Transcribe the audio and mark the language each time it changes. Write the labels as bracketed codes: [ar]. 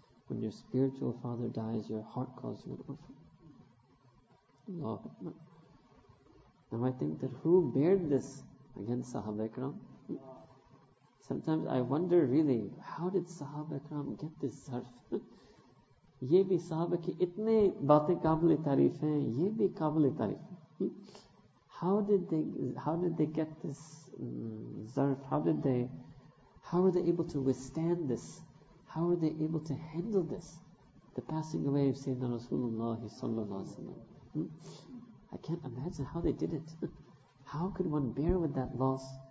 [en] When your spiritual father dies, your heart calls you an orphan. Allah. Now I think that who bared this against Sahaba Ikram? Sometimes I wonder really, how did Sahaba Ikram get this zarf? [ur] یہ بھی صحابہ کی اتنے باتیں قابل تعریف ہیں، یہ بھی قابل تعریف۔ [en] How did they get this zarf? How were they able to withstand this? How were they able to handle this? The passing away of Sayyidina Rasulullah sallallahu alaihi wasallam. I can't imagine how they did it. How could one bear with that loss?